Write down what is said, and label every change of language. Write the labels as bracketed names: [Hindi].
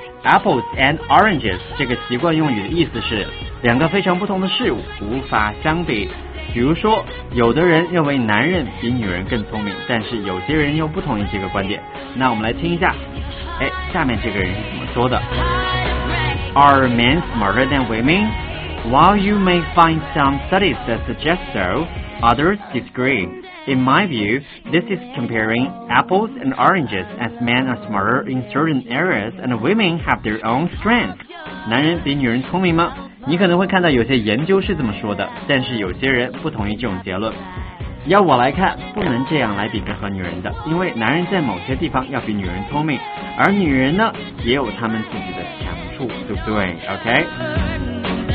[Chinese] Apples and oranges 这个习惯用语的意思是两个非常不同的事物无法相比。比如说，有的人认为男人比女人更聪明，但是有些人又不同意这个观点。那我们来听一下，哎，下面这个人是怎么说的？ [English] Are men smarter than women? While you may find some studies that suggest so,Others disagree. In my view, this is comparing apples and oranges as men are smarter in certain areas and women have their own strengths. [Chinese] 男人比女人聪明吗？你可能会看到有些研究是这么说的，但是有些人不同意这种结论。要我来看，不能这样来比较和女人的，因为男人在某些地方要比女人聪明，而女人呢，也有他们自己的强处，对不对？ [English] OK?